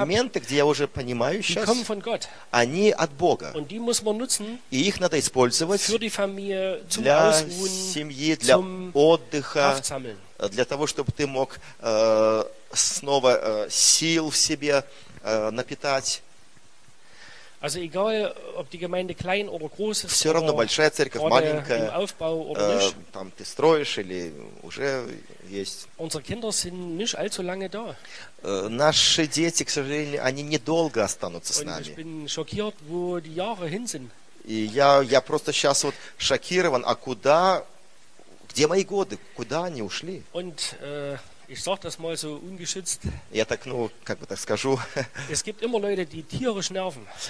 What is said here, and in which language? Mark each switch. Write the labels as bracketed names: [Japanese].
[Russian] моменты, где я уже понимаю сейчас, [German] die kommen von Gott. [Russian] Они от Бога. [German] Und die muss man nutzen, [Russian] и их надо использовать [German] für die Familie, zum [Russian] для [German] Ausruhen, [Russian] семьи, для [German] zum [Russian] отдыха, для того, чтобы ты мог снова сил в себе напитать. [German] Also egal, ob die Gemeinde klein oder groß ist, [Russian] все равно большая церковь, маленькая, [German] im Aufbau oder nicht. [Russian] Там ты строишь или уже есть. [German] Unsere Kinder sind nicht allzu lange da. [Russian] Наши дети, к сожалению, они недолго останутся [German] und [Russian] с нами. [German] Ich bin schockiert, wo die Jahre hin sind. [Russian] И я просто сейчас вот шокирован, а куда, где мои годы, куда они ушли? [German] Und, ich sag das mal so ungeschützt. [Russian] Я так, ну, как бы так скажу. [German] Es gibt immer Leute, die tierisch nerven.